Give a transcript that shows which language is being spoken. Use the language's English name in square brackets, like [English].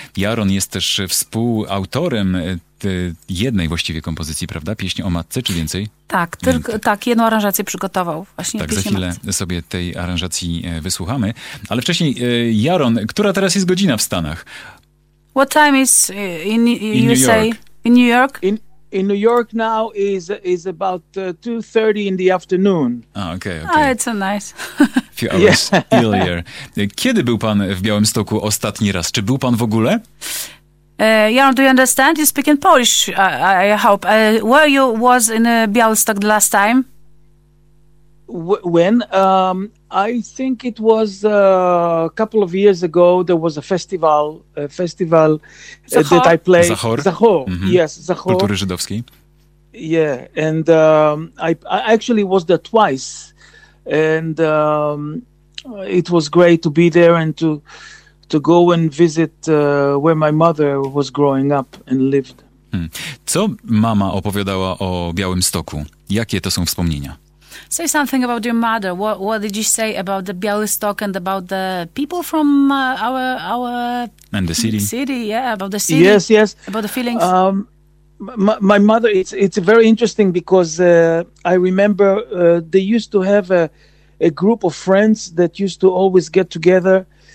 [Polish] Jaron jest też współautorem jednej właściwie kompozycji, prawda? Pieśni o matce, czy więcej? Tak, tylko tak, jedną aranżację przygotował właśnie. Tak, za chwilę sobie tej aranżacji wysłuchamy. Ale wcześniej, Jaron, która teraz jest godzina w Stanach? [English] What time is in New York? In New York now is about 2:30 in the afternoon. Okay. Oh, it's a nice. Few hours earlier. [Polish] Kiedy był pan w Białymstoku ostatni raz? Czy był pan w ogóle? [English] Jaron, do you understand? You speak in Polish, I hope. Where you was in Białystok the last time? When? I think it was a couple of years ago. There was a festival Zachor. That I played. Zachor? Zachor, mm-hmm. Yes, Zachor. [Polish] Kultury żydowskiej. [English] Yeah, and I actually was there twice. And it was great to be there and to go and visit where my mother was growing up and lived. Hmm. [Polish] Co mama opowiadała o Białymstoku? Jakie to są wspomnienia? [English] Say something about your mother. What did you say about the Białystok and about the people from our and the city? City, yeah, about the city. Yes, yes. About the feelings. My mother, it's very interesting because I remember they used to have a group of friends that used to always get together.